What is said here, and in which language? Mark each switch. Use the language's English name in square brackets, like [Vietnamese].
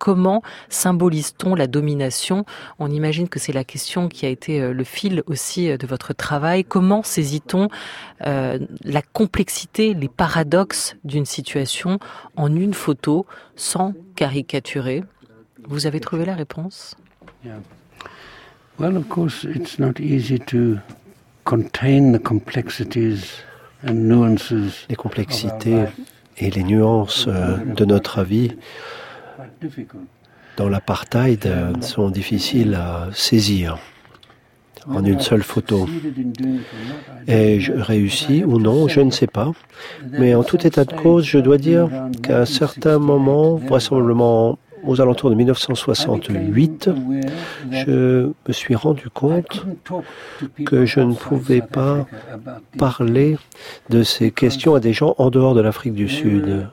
[French] Comment symbolise-t-on la domination? On imagine que c'est la question qui a été le fil aussi de votre travail. Comment saisit-on la complexité, les paradoxes d'une situation en une photo sans caricaturer? Vous avez trouvé la réponse? [English] Yeah. Well, of course, it's not easy to contain the complexities and nuances. [French] Les complexités et les nuances de notre vie dans l'apartheid sont difficiles à saisir en une seule photo. Ai-je réussi ou non, je ne sais pas. Mais en tout état de cause, je dois dire qu'à certains moments, vraisemblablement aux alentours de 1968, je me suis rendu compte que je ne pouvais pas parler de ces questions à des gens en dehors de l'Afrique du Sud.